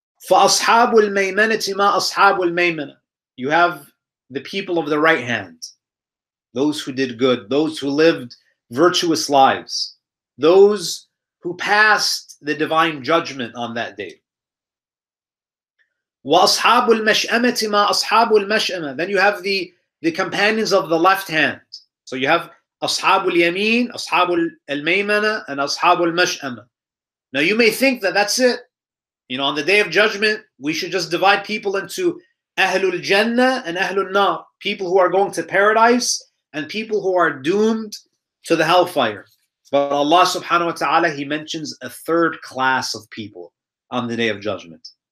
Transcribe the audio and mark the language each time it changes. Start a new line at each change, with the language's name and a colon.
Arabic: فَأَصْحَابُ الْمَيْمَنَةِ مَا أَصْحَابُ الْمَيْمَنَةِ,
English: you have the people of the right hand, those who did good, those who lived virtuous lives, those who passed the divine judgment on that day.
Arabic: وَأَصْحَابُ الْمَشْأَمَةِ مَا أَصْحَابُ الْمَشْأَمَةِ,
English: then you have the companions of the left hand. So you have
Arabic: أَصْحَابُ الْيَمِينَ, أَصْحَابُ الْمَيْمَنَةِ, and أَصْحَابُ الْمَشْأَمَةِ.
English: Now you may think that that's it. You know, on the Day of Judgment, we should just divide people into Ahlul Jannah and Ahlul Nar, people who are going to paradise and people who are doomed to the hellfire. But Allah subhanahu wa ta'ala, He mentions a third class of people on the Day of Judgment.